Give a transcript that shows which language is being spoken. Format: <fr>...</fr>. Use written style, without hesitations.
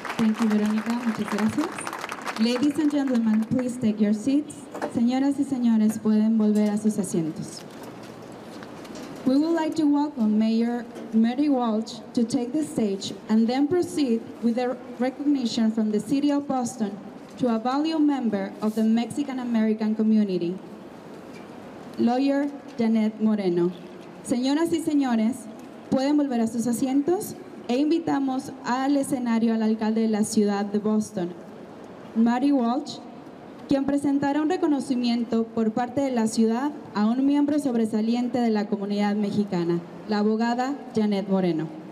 <en>Ladies and gentlemen, please take your seats.</en> <es>Señoras y señores, pueden volver a sus asientos.</es> <en>We would like to welcome Mayor Mary Walsh to take the stage and then proceed with a recognition from the City of Boston to a valued member of the Mexican-American community, Lawyer Janet Moreno.</en> <es>Señoras y señores, pueden volver a sus asientos e invitamos al escenario al alcalde de la ciudad de Boston, Mary Walsh, quien presentará un reconocimiento por parte de la ciudad a un miembro sobresaliente de la comunidad mexicana, la abogada Janet Moreno.</es>